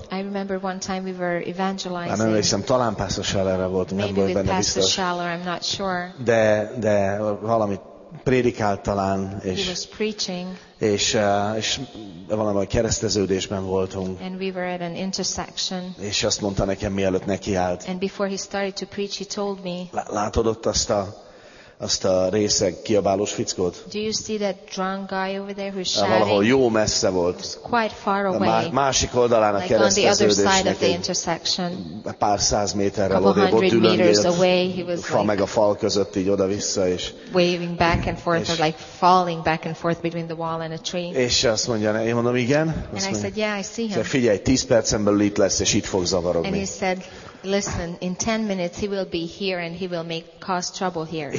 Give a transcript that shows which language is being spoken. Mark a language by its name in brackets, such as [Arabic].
[English] I remember one time we were evangelizing. [Hungarian] Nem emlékszem, talán Pastor Schallerre voltunk, [English] Maybe [Hungarian] nem volt benne biztos. [English] Pastor Schaller, I'm not sure. [Hungarian] De valamit prédikált talán, és valamilyen kereszteződésben voltunk, [English] and we were at an intersection, [Hungarian] és azt mondta nekem, mielőtt nekiállt, [English] and before he started to preach, he told me, [Hungarian] látod ott azt a részeg kiabálós fickót? [English] Do you see that drunk guy over there who's shouting? [Hungarian] Valahol jó messze volt. [English] Quite far away. [Hungarian] Másik oldalán a [English] like [Hungarian] kereszteződésnek. [English] On the other side of the intersection. [Hungarian] Pár száz méterrel odébb ott ülöngélt. Fa meg a fal között így oda-vissza is. [English] Waving back and forth or like falling back and forth between the wall and a tree. [Hungarian] És azt mondja, én mondom igen. [English] And I said, yeah, I see him. [Hungarian] Szóval figyelj, 10 percen belül itt lesz, és itt fog zavarogni. [English] And he said, listen, in 10 minutes he will be here and he will make cause trouble here.